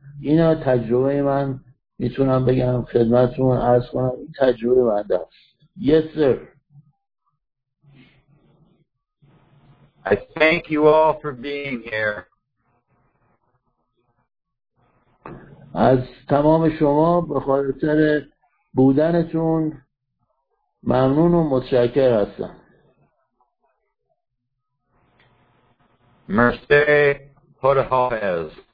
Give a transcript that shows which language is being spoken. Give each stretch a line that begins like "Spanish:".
Persian: اینا تجربه من، میتونم بگم خدمتتون عرض کنم این تجربه من است.
English: Yes, sir. I thank you all for being here.
Persian: از تمام شما به خاطر بودنتون ممنون و متشکر هستم. مرسی خدا حافظ.